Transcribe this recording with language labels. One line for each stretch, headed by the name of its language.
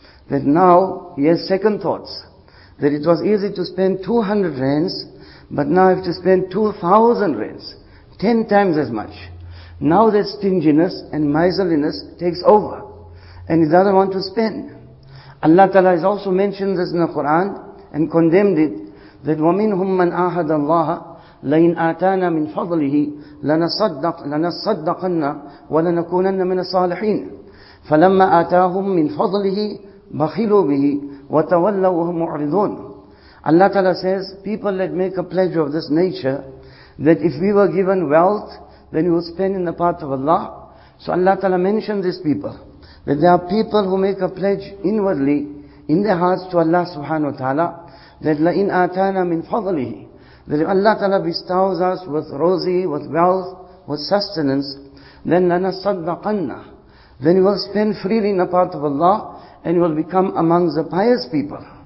English: That now he has second thoughts. That it was easy to spend 200 rands, but now I have to spend 2,000 rands, 10 times as much. Now that stinginess and miserliness takes over, and he doesn't want to spend. Allah Ta'ala has also mentioned this in the Quran and condemned it, that
Arabic: وَمِنْهُمْ مَنْ آهَدَ اللَّهَ لَإِنْ آتَانَا مِنْ فَضْلِهِ لَنَصَدَّقَنَّ وَلَنَكُونَنَّ مِنَ الصَّالِحِينَ فَلَمَّا آتَاهُمْ مِنْ فَضْلِهِ بَخِلُوا بِهِ وَتَوَلَّوا وَهُمْ مُعْرِضُونَ.
English: Allah Ta'ala says, people that make a pledge of this nature, that if we were given wealth, then we will spend in the path of Allah. So Allah Ta'ala mentioned these people, that there are people who make a pledge inwardly, in their hearts to Allah Subhanahu Wa Ta'ala, that
Arabic: لَإِنْ آتَانَا مِنْ فَضْلِهِ,
English: that if Allah Ta'ala bestows us with rosy, with wealth, with sustenance, then
Arabic: لَنَصَدَّقَنَّ,
English: then we will spend freely in the path of Allah, and we will become among the pious people.